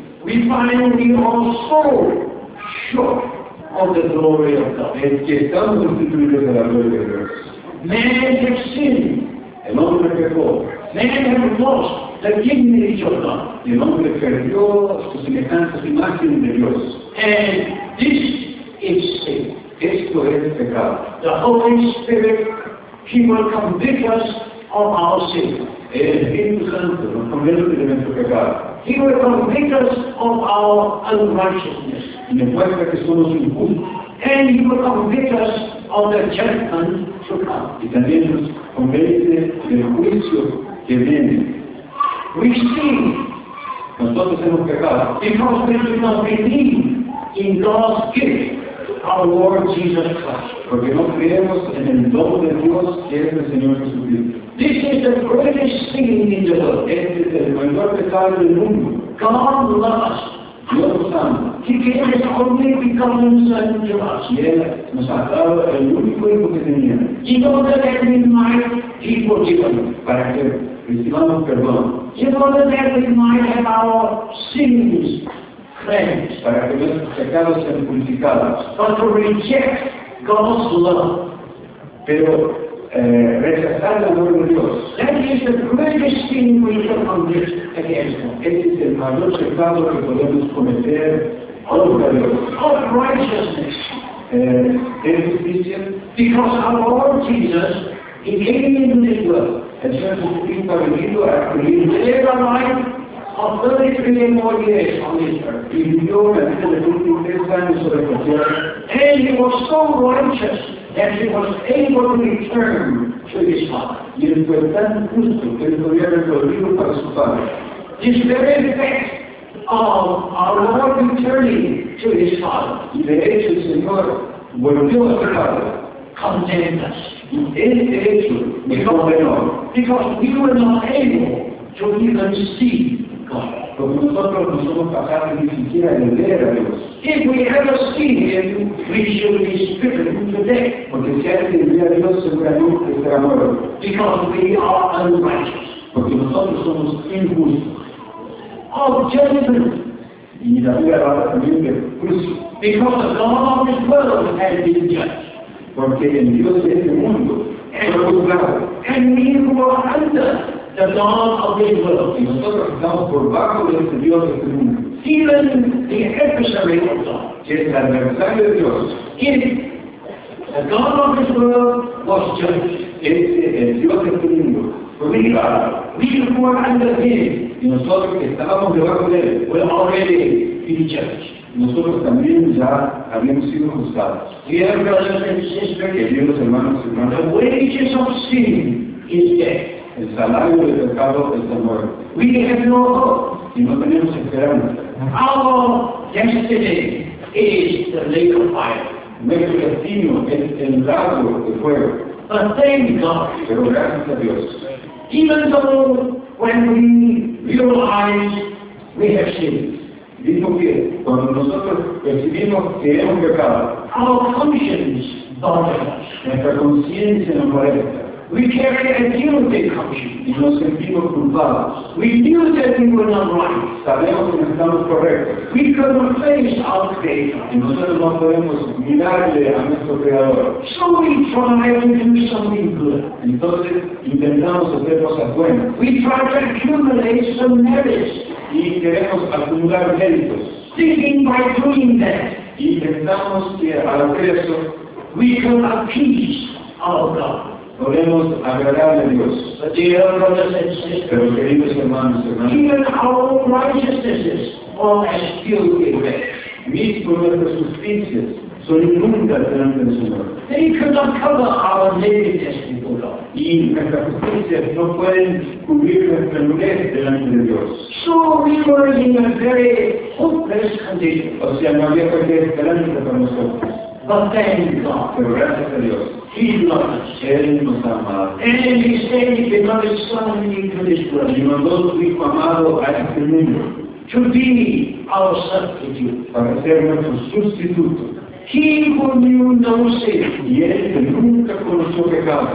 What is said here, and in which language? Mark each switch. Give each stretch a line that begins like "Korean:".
English: We find we are so short of the glory of God.
Spanish: Es que estamos constituidos de la gloria de Dios.
English: Man have sinned.
Spanish: El hombre pecó.
English: Man have lost the dignity of God.
Spanish: El hombre perdió su semejanza, su imagen de Dios.
English: And this is sin.
Spanish: Esto es pecado.
English: The Holy Spirit, He will convict us of our sin.
Spanish: El Espíritu Santo nos convence de nuestro pecado.
English: He will convict us of our unrighteousness.
Spanish: Y nos muestra que somos injustos.
English: And He will convict us of the judgment to come.
Spanish: Y también nos convence del juicio que viene.
English: We sin.
Spanish: Nosotros hemos pecado.
English: Because we do not believe in God's gift, our Lord Jesus Christ.
Spanish: Porque no creemos en el don de Dios que es el Señor Jesucristo.
English: This is the greatest sin in the world.
Spanish: Este es el mayor pecado del mundo.
English: God loves us.
Spanish: Dios nos ama.
English: He gave His only begotten Son to us.
Spanish: Y Él nos ha dado el único hijo que tenía.
English: In order that we might be forgiven.
Spanish: Para que recibamos perdón.
English: In order that we might have our sins cleansed.
Spanish: Para que nuestros pecados sean purificados.
English: But to reject God's love.
Spanish: Pero rechazar el amor de Dios.
English: That is the greatest sin we can commit against Him.
Spanish: Este es el mayor pecado que podemos cometer.
English: Of righteousness. Because our Lord Jesus, He came into this world.
Spanish: El Señor Jesucristo ha venido a vivir
English: a life of 33 more years on this earth.
Spanish: Y vivió la vida de 33 años sobre la tierra.
English: And He was so righteous that He was able to return to His Father.
Spanish: Y Él fue tan justo que Él podía volver para su Padre.
English: This very fact of our Lord returning to His Father.
Spanish: Y de hecho el Señor volvió a su Padre.
English: Condemned us.
Spanish: Y este hecho me condenó.
English: Because we were not able to even see
Spanish: Porque nosotros no somos capaces ni siquiera de ver a Dios.
English: If we ever see him, we should be stricken to death.
Spanish: Porque si alguien ve a Dios, seguramente será muerto.
English: Because we are unrighteous.
Spanish: Porque nosotros somos injustos.
English: Of judgment.
Spanish: Y la tierra también de juicio.
English: Because the God of this world has been judged.
Spanish: Porque el Dios de este mundo fue juzgado.
English: And we who are under the God of this world.
Spanish: Y nosotros estamos por bajo de este Dios de este mundo.
English: Even the adversary of God.
Spanish: Que es el adversario de Dios.
English: If the God of this world was judged.
Spanish: Este, el Dios de este mundo.
English: We who are under him.
Spanish: Y nosotros que estábamos debajo de él.
English: Were already in church.
Spanish: Nosotros también ya habíamos sido juzgados.
English: We are brothers and sisters.
Spanish: Queridos hermanos y hermanas.
English: The wages of sin is death.
Spanish: El salario del pecado es la muerte.
English: We have no hope.
Spanish: Y no tenemos esperanza.
English: Our destiny is the lake of fire.
Spanish: Nuestro destino es el lago de fuego.
English: But thank God.
Spanish: Pero gracias a Dios.
English: Even though when we realize we have sinned.
Spanish: Dijo que cuando nosotros percibimos que hemos pecado,
English: our conscience bothers us.
Spanish: Nuestra conciencia nos molesta.
English: We carry a guilty conscience.
Spanish: Y nos sentimos culpables.
English: We knew that we were not right.
Spanish: Sabemos que no estamos correctos.
English: We cannot face our Creator.
Spanish: Y nosotros no podemos mirarle a nuestro Creador.
English: So we try to do something good.
Spanish: Entonces intentamos hacer cosas buenas.
English: We try to accumulate some merits.
Spanish: Y queremos acumular méritos.
English: Thinking by doing that.
Spanish: Y intentamos que al hacer eso,
English: we can appease our God.
Spanish: Podemos agradar a Dios.
English: But dear brothers and sisters,
Spanish: pero queridos hermanos y hermanas,
English: even our own righteousnesses are as filthy rags.
Spanish: Mismo nuestras justicias son inmundas delante del Señor.
English: They cannot cover our nakedness before God.
Spanish: Y nuestras justicias no pueden cubrir nuestra nudez delante de Dios.
English: So we were in a very hopeless condition.
Spanish: O sea, no había cualquier esperanza para nosotros.
English: But thank God.
Spanish: Pero gracias a Dios.
English: He loved us. And he sent his beloved Son into this world.
Spanish: Y mandó su Hijo amado a este mundo.
English: To be our substitute.
Spanish: Para ser nuestro sustituto.
English: He who knew no sin.
Spanish: Y él que nunca conoció pecado.